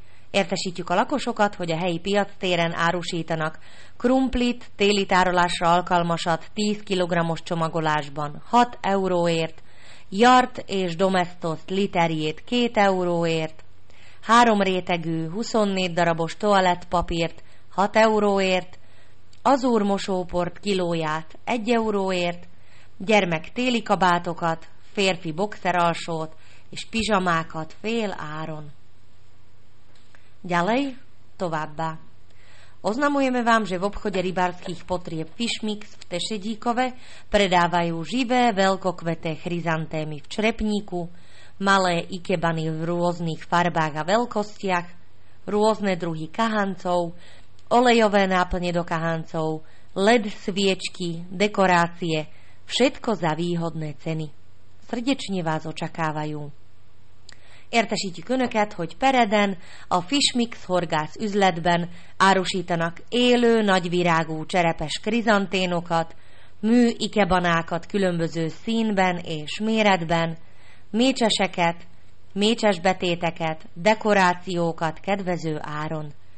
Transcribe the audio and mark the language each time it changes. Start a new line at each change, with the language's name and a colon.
Hungarian: Értesítjük a lakosokat, hogy a helyi piac téren árusítanak krumplit, téli tárolásra alkalmasat 10 kg-os csomagolásban 6 euróért, jart és domestoszt literjét 2 euróért, 3 rétegű 24 darabos toalettpapírt 6 euróért, azúr mosóport kilóját 1 euróért, gyermek téli kabátokat, férfi boxeralsót és pizsamákat fél áron.
Slovak: Ďalej,
Hungarian: továbbá.
Slovak: Oznamujeme vám, že v obchode rybárskych potrieb Fishmix v Tešedíkove predávajú živé veľkokveté chryzantémy v črepníku, malé ikebany v rôznych farbách a veľkostiach, rôzne druhy kahancov, olejové náplne do kahancov, LED sviečky, dekorácie, všetko za výhodné ceny. Srdečne vás očakávajú.
Hungarian: Értesítjük önöket, hogy Pereden a Fishmix horgász üzletben árusítanak élő nagyvirágú cserepes krizanténokat, mű ikebanákat különböző színben és méretben, mécseseket, mécses betéteket, dekorációkat kedvező áron.